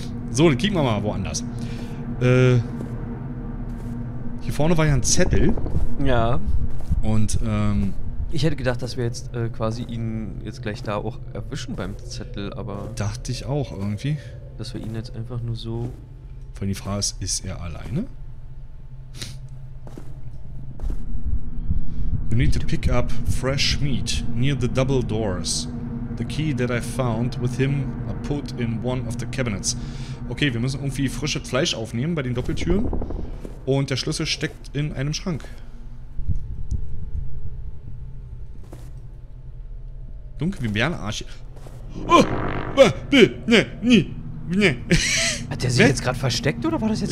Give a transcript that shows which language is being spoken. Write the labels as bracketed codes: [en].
[de] So, dann kicken wir mal woanders. Hier vorne war ja ein Zettel. Ja. Und, ich hätte gedacht, dass wir jetzt quasi ihn jetzt gleich da auch erwischen beim Zettel, aber. Dachte ich auch irgendwie. Dass wir ihn jetzt einfach nur so. Vor allem die Frage ist, ist er alleine? [en] You need to pick up fresh meat near the double doors. The key that I found with him I put in one of the cabinets. [de] Okay, wir müssen irgendwie frisches Fleisch aufnehmen bei den Doppeltüren. Und der Schlüssel steckt in einem Schrank. Dunkel wie Bärenarsch. Hat der sich jetzt gerade versteckt oder war das jetzt